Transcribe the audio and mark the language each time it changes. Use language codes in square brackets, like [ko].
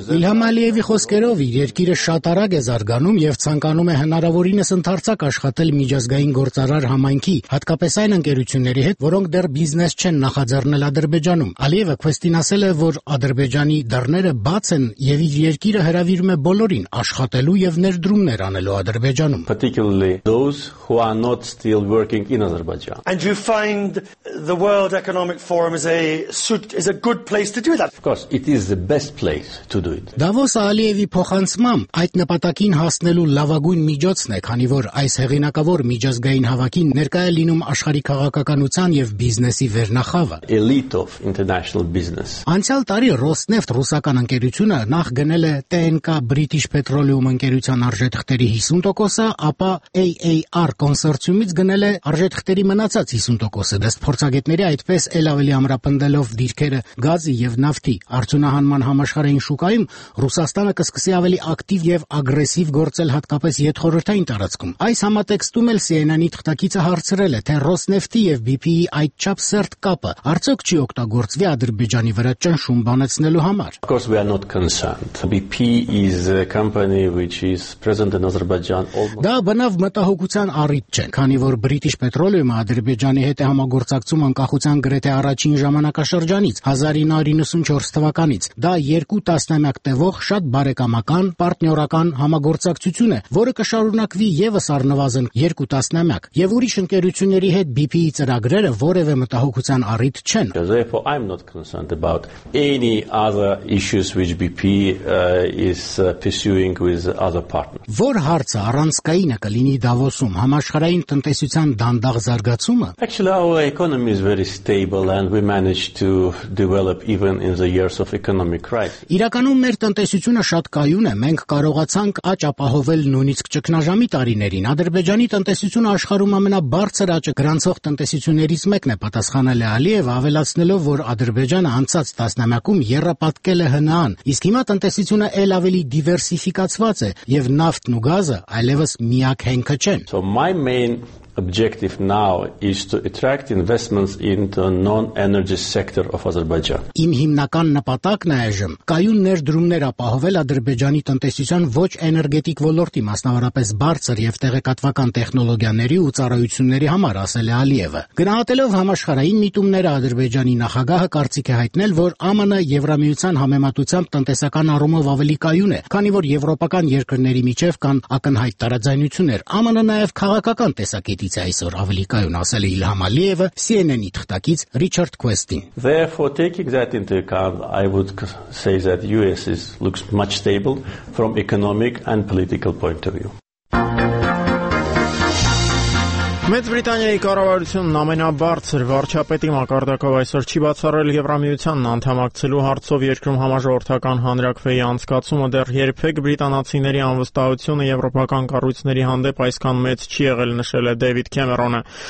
[hy] Իլհամ Ալիևի խոսքերով իր երկիրը շատ արագ է զարգանում և ցանկանում է հնարավորինս ընդարձակ աշխատել միջազգային գործարար համայնքի, հատկապես այն ընկերությունների հետ, որոնք դեռ բիզնես չեն նախաձեռնել Ադրբեջանում։ Ալիևը Քվեստին ասել է, որ Ադրբեջանի դռները բաց են և իր երկիրը հրավիրում է բոլորին աշխատելու և ներդրումներ անելու Ադրբեջանում։ [en] Particularly those who are not still working in Azerbaijan. And you find the World Economic Forum is a good place to do that. Of course, it is the best place to do it. [hy] Դավոս Ալիևի փոխանցմամբ այդ նպատակին հասնելու լավագույն միջոցն է, քանի որ այս հեղինակավոր միջազգային հավաքին ներկայ է լինում աշխարհի քաղաքականության և բիզնեսի վերնախավը. [en] Elite of international business. [hy] Անցյալ տարի Rosneft ռուսական ընկերությունը նախ գնել է TNK British Petroleum ընկերության արժեթղթերի 50%-ը, ապա AAR կոնսորցիումից գնել է արժեթղթերի մնացած 50%-ը, դեպի փորձագետների այդպես էլ ավելի ամրապնդելով դիրքերը գազի եւ նավթի արտոնահանման համաշխարհային շուկայում, Ռուսաստանը կսկսի ավելի ակտիվ եւ ագրեսիվ գործել հատկապես յետխորհրդային տարածքում։ Այս համատեքստում էլ CNN-ի թղթակիցը հարցրել է, թե Rosneft-ի եւ BP-ի այդ չափ սերտ կապը արդյոք չի օգտագործվի Ադրբեջանի վրա ճնշում բանացնելու համար։ [en] Of course we are not concerned. BP is a company which is present in Azerbaijan almost. [hy] Դա բնավ մտահոգության առիթ չէ, քանի որ British Petroleum-ը Ադրբեջանի հետ է համագործակցում անկախության գրեթե առաջին ժամանակաշրջանից 1994 թվականից։ Դա երկու տասնամյակ տևող շատ բարեկամական պարտնյորական համագործակցություն է, որը կշարունակվի եւս առնվազն երկու տասնամյակ, եւ ուրիշ ընկերությունների հետ BP-ի ծրագրերը որևէ մտահոգության առիթ չեն։ [en] Therefore I'm not concerned about any other issues which BP is pursuing with other partners. [hy] Որ հարցը առանցքայինը կլինի Դավոսում համաշխարհային տնտեսության դանդաղ զարգացումը։ [en] Actually our economy is very stable and we managed to develop even in the years of economic crisis. [hy] Իրականում մեր տնտեսությունը շատ կայուն է, մենք կարողացանք աճ ապահովել նույնիսկ ճգնաժամի տարիներին։ Ադրբեջանի տնտեսությունը աշխարհում ամենաբարձր աճը գրանցող տնտեսություններից մեկն է, պատասխանել է Ալիևը, ավելացնելով, որ Ադրբեջանը անցած տասնամյակում եռապատկել է ՀՆԱ-ն, Իսկ հիմա տնտեսությունը էլ ավելի դիվերսիֆիկացված է եւ նավթն ու գազը այլևս միակ հենքը չեն։ [en] So my main objective now is to attract investments into the non-energy sector of Azerbaijan. [hy] Իմ հիմնական նպատակն այժմ կայուն ներդրումներ ապահովել Ադրբեջանի տնտեսության ոչ էներգետիկ ոլորտի, մասնավորապես բարձր եւ տեղեկատվական տեխնոլոգիաների ու ծառայությունների համար, ասել է Ալիևը։ Գնահատելով համաշխարհային միտումները, Ադրբեջանի նախագահը կարծիք է հայտնել, որ ԱՄՆ-ը Եվրամիության համեմատությամբ տնտեսական առումով ավելի կայուն է, քանի որ եվրոպական երկրների միջև կան ակնհայտ տարաձայնություններ։ ԱՄՆ-ը նաեւ քաղաքական տեսակ Գիտից այսօր ավելի կայուն, ասել է Իլհամ Ալիևը, CNN-ի թղթակից Ռիչարդ Քուեստին։ [en] Therefore taking that into account, I would say that US is looks much stable from economic and political point of view. [hy] Մեծ Բրիտանիայի կառավարությունն ամենաբարձր վարչապետի մակարդակով այսօր չի բացառել Եվրամիությանն անդամակցելու հարցով երկրում համաժողովրդական հանրակրթվեի անցկացումը դեռ երբեք բրիտանացիների անվստահությունը եվրոպական կառույցների հանդեպ այսքան մեծ չի եղել, նշել է Դեյվիդ Քեմերոնը։